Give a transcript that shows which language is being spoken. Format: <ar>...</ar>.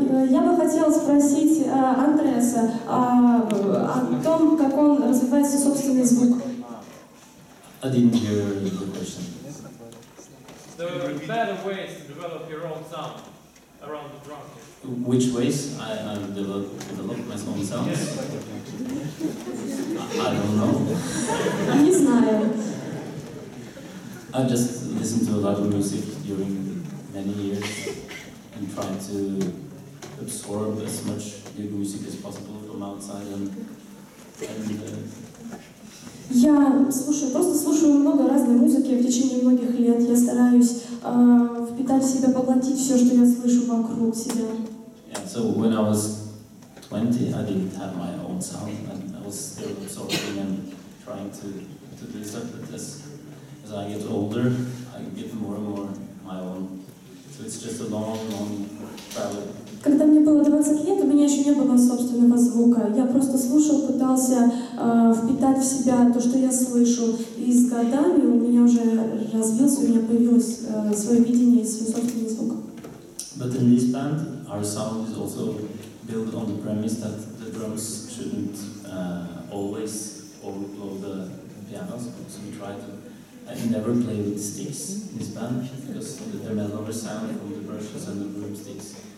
<ru>Я бы хотела спросить Андреаса о том, как он развивает свой собственный звук. Один вопрос.</ru> <en>So, better ways to develop your own sound around the drum kit. Which ways I develop my own sound? Yes. I don't know.</en> <ru>Не знаю.</ru> <en>I just listened to a lot of music during many years and tried to absorb as much good music as possible from outside and</en> <ru>Я слушаю, просто слушаю много разной музыки в течение многих лет. Я стараюсь впитать в себя, поглотить все, что я слышу вокруг себя.</ru> <en>Yeah, so when I was 20, I didn't have my own sound, and I was still absorbing and trying to do stuff. But as I get older, I get more and more my own. So it's just a long travel.</en> <ru>Когда мне было 20 лет, у меня еще не было собственного звука. Я просто слушал, пытался впитать в себя то, что я слышу. И с годами у меня уже развился, у меня появилось свое видение и свой собственный звук.</ru> <en>But in this band, our sound is also built on the premise that the drums shouldn't always overblow the pianos. So we try to never play with sticks in this band, because the mellower sound from the brushes and the broomsticks.</en>